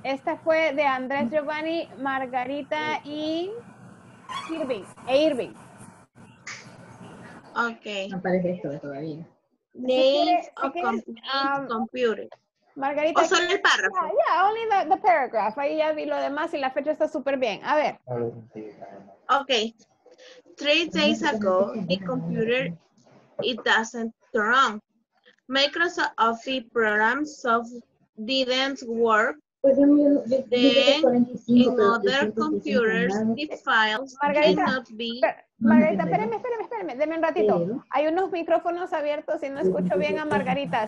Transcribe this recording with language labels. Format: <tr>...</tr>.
<es>Esta fue de Andrés Giovanni, Margarita y Irving. Irving. Okay. No aparece esto todavía.</es> <en>Names of computers.</en> <es>Margarita. O solo el párrafo.</es> <en>Yeah, yeah, only the paragraph.</en> <es>Ahí ya vi lo demás y la fecha está súper bien. A ver. Okay.</es> <en>3 days ago, the computer, it doesn't turn on. Microsoft Office program didn't work. Then, in other computers, the files did not be.</en> <es>Margarita, espéreme. Deme un ratito. Hay unos micrófonos abiertos y no escucho bien a Margarita.</es>